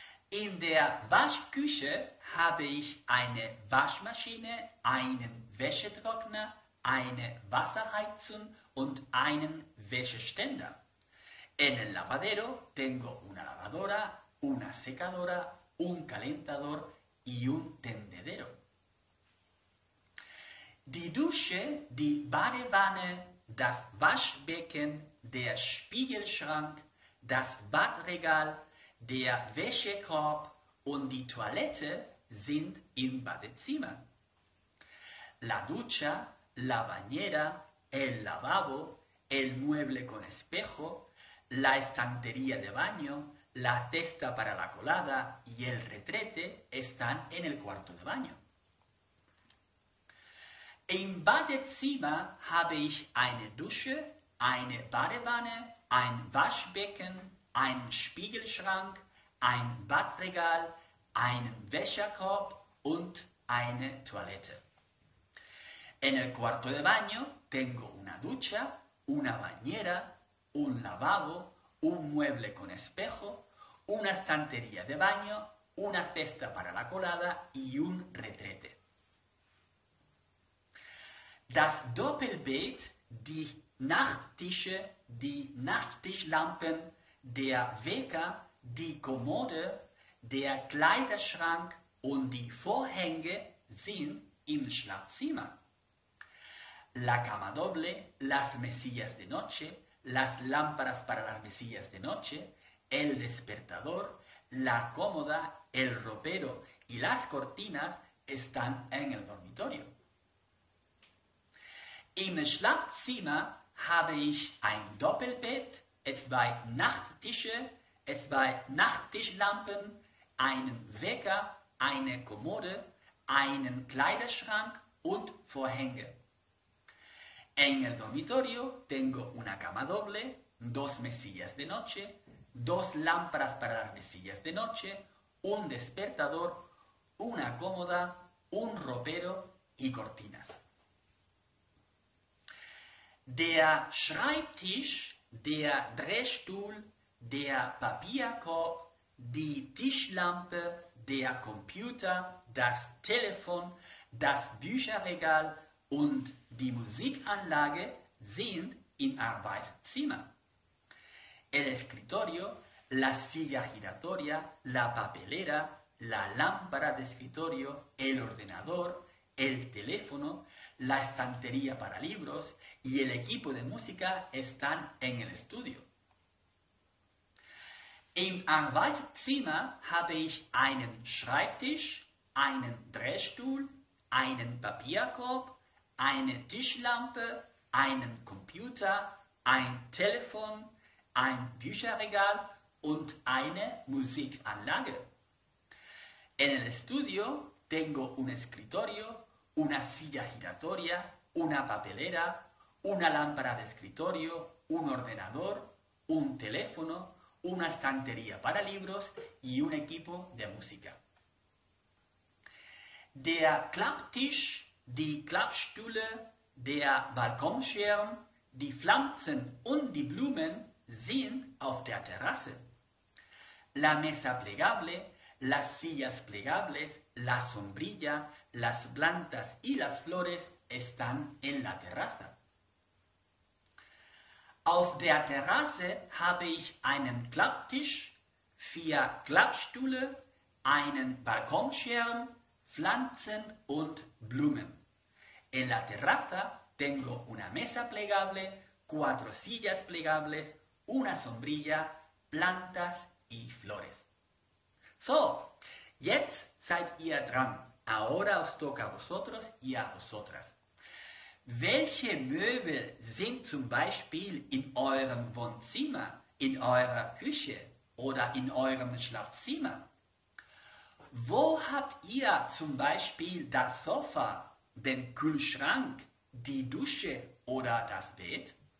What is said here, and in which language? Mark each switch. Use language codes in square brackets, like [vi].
[de] In der Waschküche habe ich eine Waschmaschine, einen Wäschetrockner, eine Wasserheizung und einen Wäscheständer. [es] En el lavadero tengo una lavadora, una secadora, un calentador y un tendedero. [de] Die Dusche, die Badewanne, das Waschbecken, der Spiegelschrank, das Badregal, der Wäschekorb und die Toilette sind im Badezimmer. [es] La ducha, la bañera, el lavabo, el mueble con espejo, la estantería de baño, la testa para la colada y el retrete están en el cuarto de baño. [de] Im Badezimmer habe ich eine Dusche, eine Badewanne, ein Waschbecken, einen Spiegelschrank, ein Badregal, einen Wäschekorb und eine Toilette. [es] En el cuarto de baño tengo una ducha, una bañera, un lavabo, un mueble con espejo, una estantería de baño, una cesta para la colada y un retrete. [de] Das Doppelbett, die Nachttische, die Nachttischlampen, der Wecker, die Kommode, der Kleiderschrank und die Vorhänge sind im Schlafzimmer. [es] La cama doble, las mesillas de noche, las lámparas para las mesillas de noche, el despertador, la cómoda, el ropero y las cortinas están en el dormitorio. [de] Im Schlafzimmer habe ich ein Doppelbett, zwei Nachttische, zwei Nachttischlampen, einen Wecker, eine Kommode, einen Kleiderschrank und Vorhänge. [es] En el dormitorio tengo una cama doble, dos mesillas de noche, dos lámparas para las mesillas de noche, un despertador, una cómoda, un ropero y cortinas. [de] Der Schreibtisch, der Drehstuhl, der Papierkorb, die Tischlampe, der Computer, das Telefon, das Bücherregal und die Musikanlage sind im Arbeitszimmer. [es] El escritorio, la silla giratoria, la papelera, la lámpara de escritorio, el ordenador, el teléfono, la estantería para libros y el equipo de música están en el estudio. [de] Im Arbeitszimmer habe ich einen Schreibtisch, einen Drehstuhl, einen Papierkorb, eine Tischlampe, einen Computer, ein Telefon, ein Bücherregal und eine Musikanlage. [es] En el estudio tengo un escritorio, una silla giratoria, una papelera, una lámpara de escritorio, un ordenador, un teléfono, una estantería para libros y un equipo de música. [de] Der Klapptisch, die Klappstühle, der Balkonschirm, die Pflanzen und die Blumen sind auf der Terrasse. [es] La mesa plegable, las sillas plegables, la sombrilla, las plantas y las flores están en la terraza. [de] Auf der Terrasse habe ich einen Klapptisch, vier Klappstühle, einen Balkonschirm, Pflanzen und Blumen. [es] En la terraza tengo una mesa plegable, cuatro sillas plegables, una sombrilla, plantas y flores. [de] So, jetzt seid ihr dran. [es] Ahora os toca a vosotros y a vosotras. [de] Welche Möbel sind zum Beispiel in eurem Wohnzimmer, in eurer Küche oder in eurem Schlafzimmer? Wo habt ihr zum Beispiel das Sofa, den Kühlschrank, die Dusche oder das Bett?